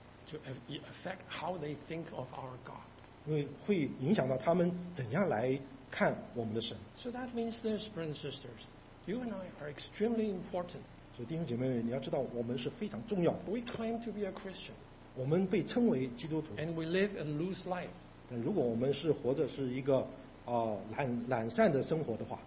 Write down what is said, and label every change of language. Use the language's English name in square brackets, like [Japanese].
[English] To affect how they think of our God. [Chinese] 因为会影响到他们怎样来看我们的神。 [English] So that means this, brothers and sisters, you and I are extremely important. [Chinese] 所以弟兄姐妹们，你要知道我们是非常重要的。 [English] We claim to be a Christian. [Chinese] 我们被称为基督徒。 [English] And we live a loose life. [Chinese] 但如果我们是活着是一个懒散的生活的话。